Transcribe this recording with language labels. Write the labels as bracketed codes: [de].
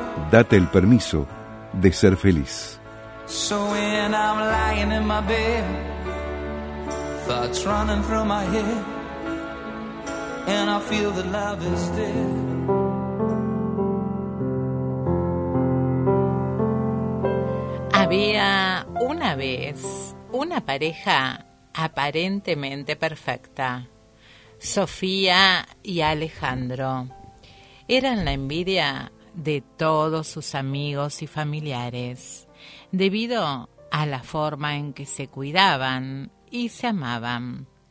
[es] Date el permiso de ser feliz. [en] So when I'm lying in my bed, thoughts running through my head, and I feel that love is dead. [es] Había una vez una pareja aparentemente perfecta, Sofía y Alejandro. Eran la envidia de todos sus amigos y familiares, debido a la forma en que se cuidaban y se amaban.